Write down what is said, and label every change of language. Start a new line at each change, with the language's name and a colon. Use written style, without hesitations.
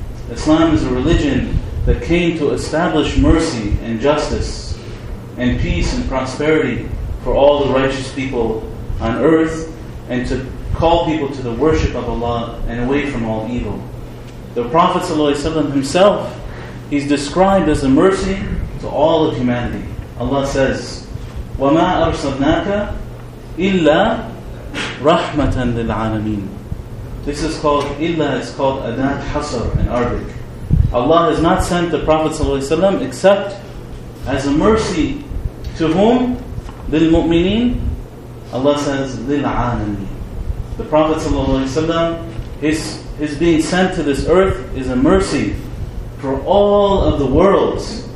English: Islam is a religion that came to establish mercy and justice and peace and prosperity for all the righteous people on earth, and to call people to the worship of Allah and away from all evil. The Prophet ﷺ himself, he's described as a mercy to all of humanity. Allah says,
Arabic: وَمَا أَرْسَلْنَاكَ إِلَّا رَحْمَةً لِلْعَالَمِينَ.
English: This is called, إِلَّا is called أَدَاةُ حَصَرٍ in Arabic. Allah has not sent the Prophet ﷺ except as a mercy to whom? Lil mu'mineen. Allah says, lil alameen. The Prophet ﷺ, his being sent to this earth is a mercy for all of the worlds.